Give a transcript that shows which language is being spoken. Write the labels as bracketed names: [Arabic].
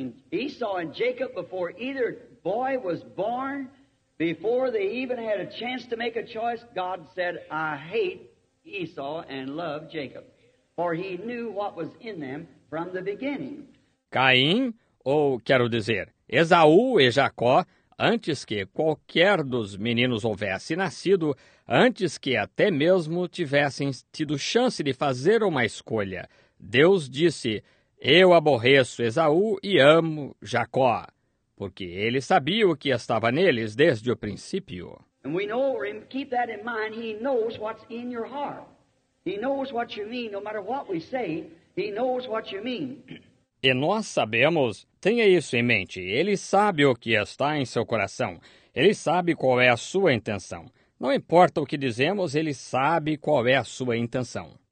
[English] Esau e Jacob, before either boy was born, before they even had a chance to make a choice, God said, I hate Esau and love Jacob. For he knew what was in them from the beginning. [Portuguese] Caim, ou quero dizer, Esaú e Jacó, antes que qualquer dos meninos houvesse nascido, antes que até mesmo tivessem tido chance de fazer uma escolha, Deus disse, eu aborreço Esaú e amo Jacó, porque ele sabia o que estava neles desde o princípio. [English] And we know him, keep that in mind, he knows what's in your heart. He knows what you mean, no matter what we say, he knows what you mean. [Portuguese] E nós sabemos, tenha isso em mente, ele sabe o que está em seu coração, ele sabe qual é a sua intenção. Não importa o que dizemos, ele sabe qual é a sua intenção.